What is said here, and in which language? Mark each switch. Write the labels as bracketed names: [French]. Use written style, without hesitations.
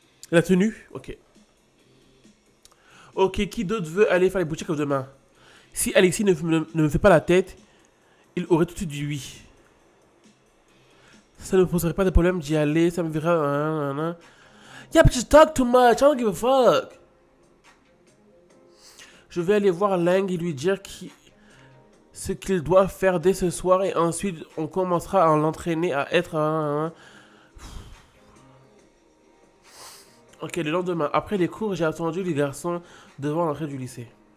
[French] La tenue? Ok. Ok, qui d'autre veut aller faire les boutiques demain? Si Alexis ne me fait pas la tête, il aurait tout de suite dit oui. Ça ne me poserait pas de problème d'y aller, ça me verra. [English] Yeah, but you talk too much, I don't give a fuck. [French] Je vais aller voir Leng et lui dire ce qu'il doit faire dès ce soir et ensuite on commencera à l'entraîner à être. Ok, le lendemain, après les cours, j'ai attendu les garçons devant l'entrée du lycée.